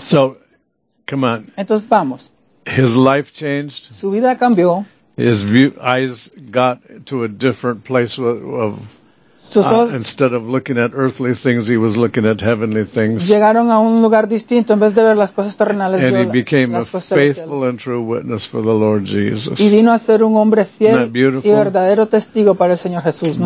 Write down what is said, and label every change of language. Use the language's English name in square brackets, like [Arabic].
[English] So, come on. [Spanish] Entonces, vamos. [English] His life changed. [Spanish] Su vida cambió. [English] His view, eyes got to a different place of [Spanish] sus ojos, [English] instead of looking at earthly things, he was looking at heavenly things. [Spanish] Llegaron a un lugar distinto en vez de ver las cosas terrenales. [English] And he became a faithful and true witness for the Lord Jesus. [Spanish] Y vino a ser un hombre fiel y verdadero testigo para el Señor Jesús.